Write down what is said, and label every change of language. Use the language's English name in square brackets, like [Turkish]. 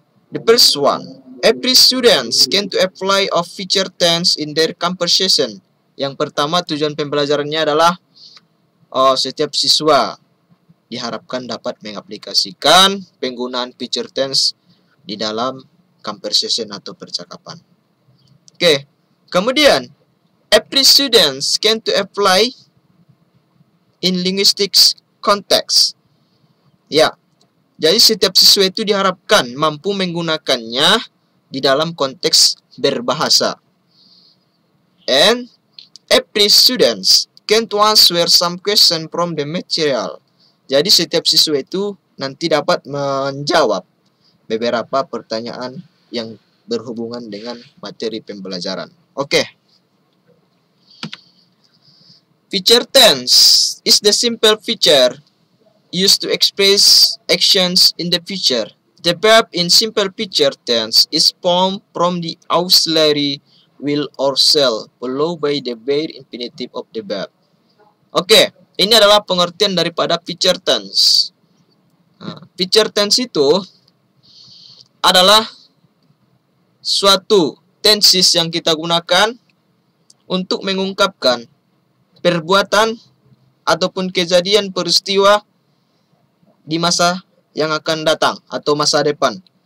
[English] The first one, every student can to apply of future tense in their conversation. [Indonesian] Yang pertama, tujuan pembelajarannya adalah setiap siswa diharapkan dapat mengaplikasikan penggunaan future tense di dalam conversation atau percakapan. [English] Oke, [Indonesian] kemudian [English] every student can to apply in linguistics context. [Indonesian] Ya, jadi setiap siswa itu diharapkan mampu menggunakannya di dalam konteks berbahasa. [English] And every students can to answer some question from the material. [Indonesian] Jadi setiap siswa itu nanti dapat menjawab beberapa pertanyaan yang berhubungan dengan materi pembelajaran. Oke. [English] Future tense is the simple future used to express actions in the future. The verb in simple future tense is formed from the auxiliary will or shall followed by the bare infinitive of the verb. [Indonesian] Oke, ini adalah pengertian daripada future tense. Future tense itu adalah suatu tenses yang kita gunakan untuk mengungkapkan perbuatan ataupun kejadian peristiwa di masa yang akan datang atau masa depan.